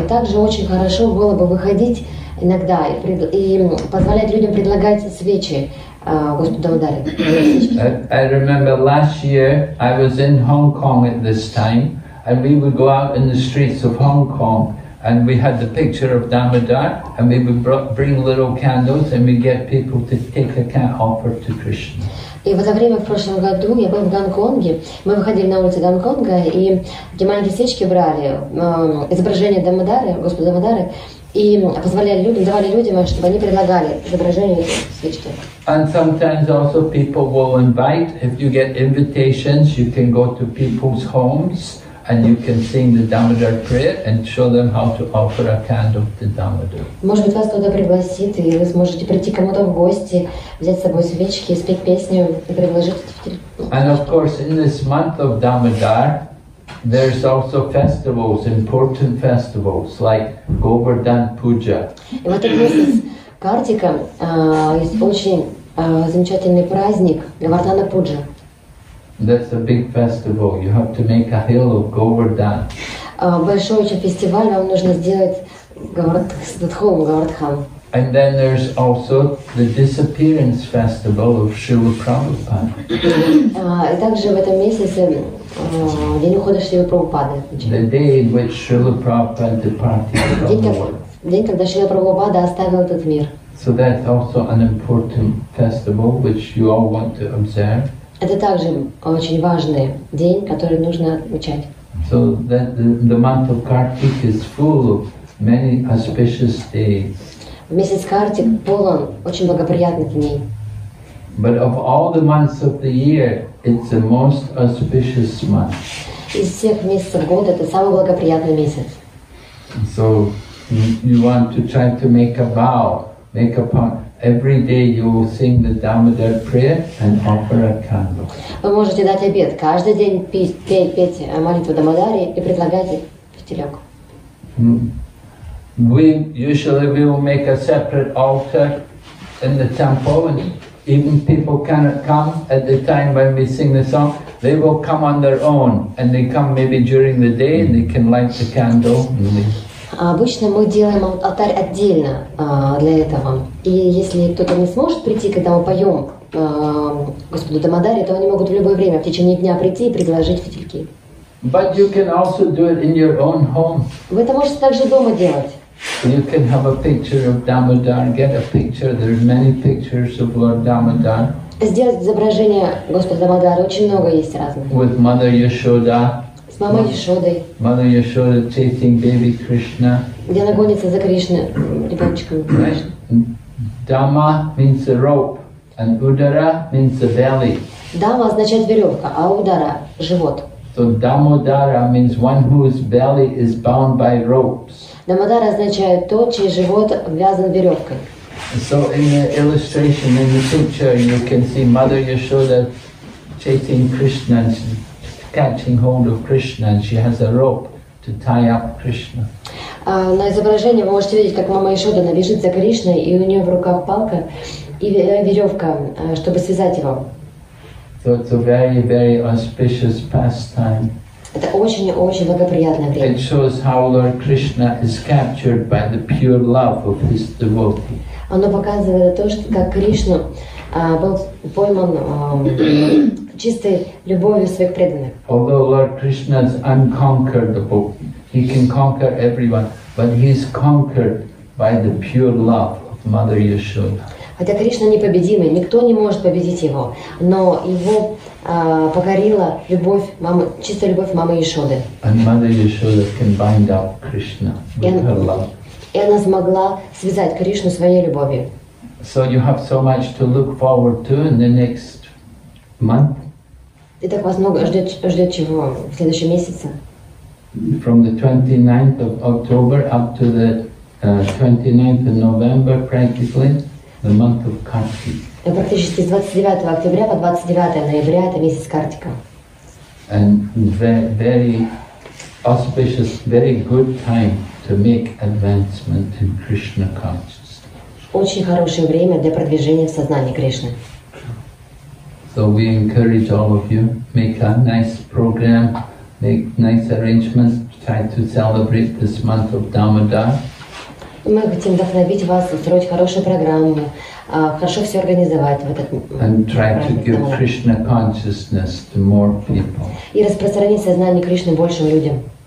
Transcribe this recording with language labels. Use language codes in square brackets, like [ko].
[ru] И также очень хорошо было бы выходить иногда и позволять людям предлагать свечи Господу Дамодаре. [en] I remember last year I was in Hong Kong at this time. And we would go out in the streets of Hong Kong, and we had the picture of Damodar, and we would bring little candles, and we get people to take a candle offer to Krishna. [ru] И в это время в прошлом году я был в Гонконге. Мы выходили на улицы Гонконга, и где маленькие свечки брали, изображение Дамодары, Господа Дамодары, И позволяли людям, давали людям, чтобы они предлагали изображение свечки. [en] And sometimes also people will invite. If you get invitations, you can go to people's homes and you can sing the Damodar prayer and show them how to offer a candle to Damodar. [ru] Может быть, вас туда пригласит, и вы сможете прийти кому-то в гости, взять с собой свечки, спеть песню и предложить эти свечки. [en] And of course, in this month of Damodar, there's also festivals, important festivals like Govardhan Puja. [ru] И вот этот месяц Картика есть очень замечательный праздник Говардхана Пуджа. [en] That's a big festival. You have to make a hill of Govardhan. [ru] Большой очень фестиваль, вам нужно сделать холм Говардхан. [en] And then there's also the disappearance festival of Srila Prabhupada. [ru] И также в этом месяце день ухода Шрилы Прабхупады. [en] The day in which Srila Prabhupada departed from the world. [ru] День, когда Шрила Прабхупада оставил этот мир. [en] So that's also an important festival which you all want to observe. [ru] Это также очень важный день, который нужно отмечать. [en] So that the month of Kartik is full of many auspicious days. [ru] Месяц Картик полон очень благоприятных дней. [en] But of all the months of the year, it's the most auspicious month. [ru] Из всех месяцев года это самый благоприятный месяц. [en] So you want to try to make a vow, make a pact. Every day you will sing the Damodar prayer and offer a candle. [ru] Вы можете дать обет каждый день петь молитву Дамодаре и предлагать фитилек. [en] We usually make a separate altar in the temple, and even people cannot come at the time when we sing the song. They will come on their own, and they come maybe during the day, and they can light the candle. [ru] Обычно мы делаем алтарь отдельно для этого. И если кто-то не сможет прийти, когда мы поем Господу Дамодаре, то они могут в любое время в течение дня прийти и предложить фитильки. [en] But you can also do it in your own home. [ru] Вы это можете также дома делать. [en] You can have a picture of Damodar, get a picture, there are many pictures of Lord Damodar. [ru] Сделать изображение Господа Дамодара, очень много есть разных. [en] With Mother Yashoda. [ru] С мамой Яшодой. [en] Mother Yashoda chasing baby Krishna. [ru] Где она гонится за Кришной, ребеночком. [en] Dama means the rope, and Udara means the belly. [ru] Дама означает веревка, а Удара – живот. [en] So Damodara means one whose belly is bound by ropes. [ru] Дамодара означает тот, чей живот обвязан веревкой. [en] So in the illustration, in the picture, you can see Mother Yashoda chasing Krishna, catching hold of Krishna, and she has a rope to tie up Krishna. [ru] На изображении вы можете видеть, как мама Яшода набежит за Кришной, и у нее в руках палка и веревка, чтобы связать его. [en] So it's a very, very auspicious pastime. [ru] Это очень-очень благоприятное время. [en] It shows how Lord Krishna is captured by the pure love of his devotee. [ru] Оно показывает то, что как Кришна был пойман чистой любовью своих преданных. [en] Although Lord Krishna is unconquerable, he can conquer everyone, but he is conquered by the pure love of Mother Yashoda. [ru] Хотя Кришна непобедимый, никто не может победить его, но его покорила любовь мамы, чистая любовь мамы Яшоды. [en] And Mother Yashoda can bind up Krishna with her love. [ru] И она смогла связать Кришну своей любовью. [en] So you have so much to look forward to in the next month. [ru] И так вас много ждет чего в следующем месяце? [en] From the 29th of October up to the 29th of November, practically. The month of Kartik. [ru] Практически с 29 октября по 29 ноября это месяц Картика. [en] And very auspicious, very good time to make advancement in Krishna consciousness. [ru] Очень хорошее время для продвижения в сознании Кришны. [en] So we encourage all of you, make a nice program, make nice arrangements, try to celebrate this month of Damodar. [ru] Мы хотим вдохновить вас, устроить хорошую программу, хорошо все организовать в этот праздник. И распространить сознание Кришны большим людям.